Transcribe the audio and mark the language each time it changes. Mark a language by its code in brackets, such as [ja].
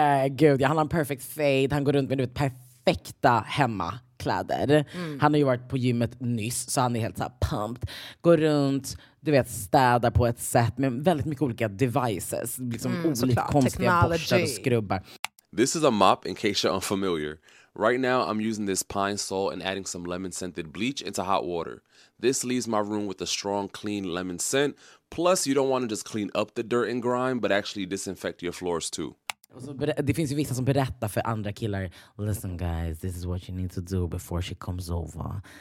[sv] Gud, han har en [en] perfect fade. [sv] Han går runt med perfekta hemmakläder. Han har ju varit på gymmet nyss så han är helt så här pumped. Går runt, du vet, städar på ett sätt med väldigt mycket olika devices, liksom olika konstiga borstar och skrubbar. [en] This is a mop in case you're unfamiliar. Right now I'm using this pine salt and adding some lemon scented bleach into hot water. This leaves my room with a strong, clean lemon scent. Plus, you don't want to just clean up the dirt and grime, but actually disinfect your floors too. [sv] Det finns ju vissa som berättar för andra killar. [en] Listen guys, this is what you need to do before she comes over.